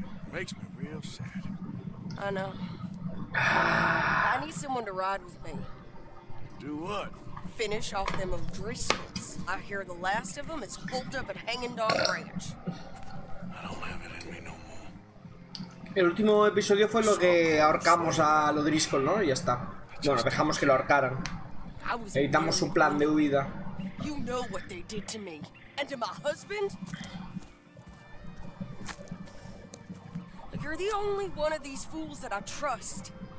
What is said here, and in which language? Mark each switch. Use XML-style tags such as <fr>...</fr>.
<en>Makes me real sad. I know. I need someone to ride with me. Do what? Finish off them O'Driscolls. I hear the last of them is holed up at Hanging Dog Ranch. I don't have it in me no more.</en> <es>El último episodio fue lo que ahorcamos a O'Driscoll, ¿no? Y ya está. Bueno, dejamos que lo ahorcaran. Necesitamos su plan de huida.</es> <en>You know what they did to me and to my husband. You're the only one of these fools that I trust.</en>